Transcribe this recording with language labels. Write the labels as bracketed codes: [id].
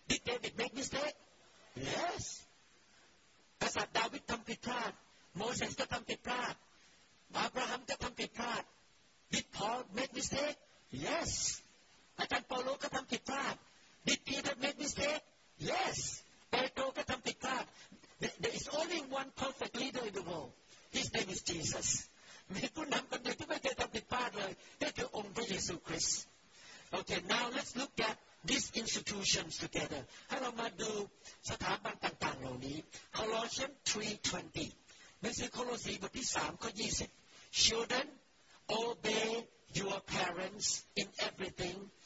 [en] Did David make mistake? Yes. [th] กษัตริย์ดาวิดทำผิดพลาดโมเสสก็ทำผิดพลาดอับราฮัมก็ทำผิดพลาด [en] Did Paul make mistake? Yes. [th] อาจารย์เปาโลก็ทำผิดพลาด [en] Did Peter make mistake? Yes. Pedro got a big part. There is only one perfect leader in the world. His name is Jesus. [th] ไม่คุณนำคนเดียวที่ไม่เคยทำผิดพลาดเลยนั่นคือองค์พระเยซูคริสต์ [en] Okay, now let's look at these institutions together. [th] ให้เรามาดูสถาบันต่างๆเหล่านี้ Colossians 3:20. ในโคโลสีบทที่3ข้อ20 [en] Children, obey your parents in everything.